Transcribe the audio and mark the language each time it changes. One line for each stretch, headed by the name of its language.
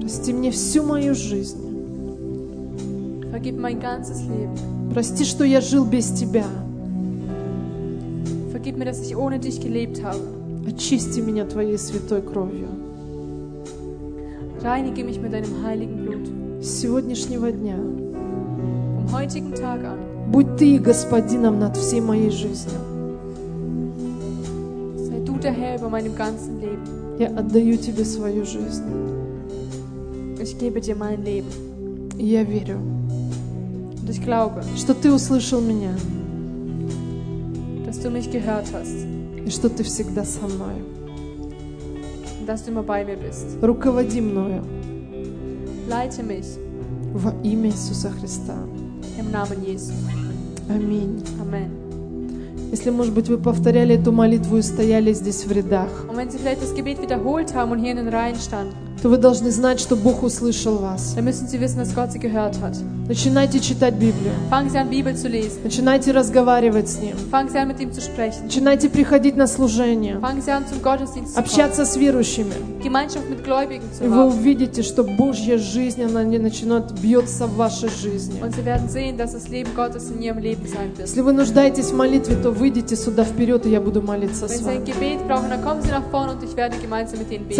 Russian: Прости мне всю мою жизнь.
German: Vergib mein ganzes Leben.
Russian: Прости, что я жил без тебя.
German: Vergib mir, dass ich ohne dich gelebt habe.
Russian: Очисти меня твоей святой кровью.
German: Reinige mich mit deinem heiligen Blut.
Russian: С сегодняшнего дня.
German: Vom heutigen Tag an.
Russian: Будь ты господином над всей моей жизнью.
German: Sei du der Herr über meinem ganzen Leben.
Russian: Я отдаю тебе свою жизнь.
German: Ich gebe dir mein Leben.
Russian: Я верю.
German: Und ich glaube.
Russian: Что ты услышал меня.
German: Dass du mich gehört hast.
Russian: И что ты всегда со мной.
German: Und dass du immer bei mir bist.
Russian: Руководи мною.
German: Leite mich.
Russian: Во имя Иисуса Христа.
German: Im Namen Jesu.
Russian: Аминь. Аминь. Если, может быть, вы повторяли эту молитву и стояли здесь в рядах,
German: und wenn Sie vielleicht das Gebet wiederholt haben und hier in den Reihen standen,
Russian: то вы должны знать, что Бог услышал вас.
German: Dann müssen Sie wissen, dass Gott Sie gehört hat.
Russian: Начинайте читать Библию.
German: Fangen Sie an, Bibel zu lesen.
Russian: Начинайте разговаривать с Ним.
German: Fangen Sie an, mit ihm zu sprechen.
Russian: Начинайте приходить на служение.
German: Fangen Sie an, zum Gottesdienst zu
Russian: общаться с верующими.
German: Gemeinschaft mit Gläubigen zu
Russian: и вы увидите, что Божья жизнь, она начинает бьется в вашей жизни.
German: Und Sie werden sehen, dass das Leben Gottes in Ihrem Leben sein wird.
Russian: Если вы нуждаетесь в молитве, то выйдите сюда вперед, и я буду молиться
German: wenn
Russian: с вами.
German: Gebet brauchen, dann kommen Sie nach vorne und ich werde gemeinsam mit Ihnen beten.